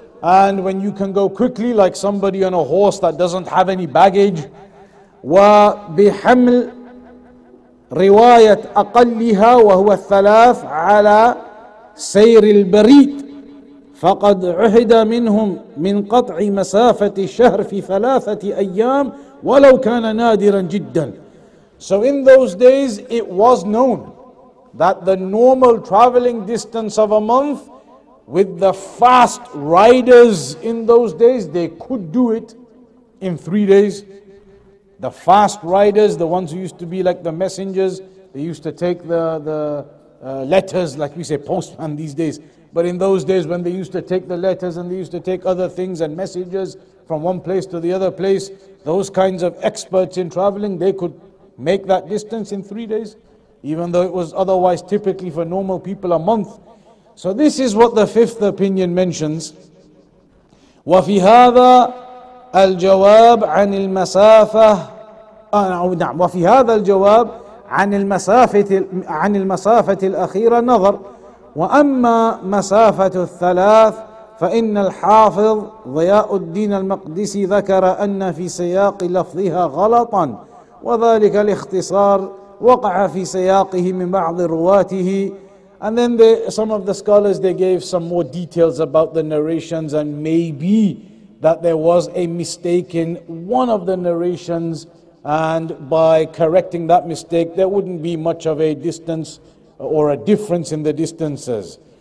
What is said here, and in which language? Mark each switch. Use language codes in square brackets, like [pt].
[en] And when you can go quickly, like somebody on a horse that doesn't have any baggage. [ar] وبحمل رواية أقلها وهو الثلاث على سير البريد. فقد عهد منهم من قطع مسافة الشهر في ثلاثة أيام ولو كان نادرا جدا. [en] So in those days it was known that the normal traveling distance of a month with the fast riders in those days, they could do it in 3 days. The fast riders, the ones who used to be like the messengers, they used to take the letters, like we say postman these days. But in those days when they used to take the letters and they used to take other things and messages from one place to the other place, those kinds of experts in traveling, they could make that distance in 3 days, even though it was otherwise typically for normal people a month. So this is what the fifth opinion mentions. [ar] وفي هذا الجواب عن المسافة نعم وفي هذا الجواب عن المسافة عن المسافة الأخيرة نظر وأما مسافة الثلاث فإن الحافظ ضياء الدين المقدسي ذكر أن في سياق لفظها غلطا وذلك الاختصار وقع في سياقه من بعض رواته. [en] And then some of the scholars, they gave some more details about the narrations, and maybe that there was a mistake in one of the narrations, and by correcting that mistake there wouldn't be much of a distance or a difference in the distances.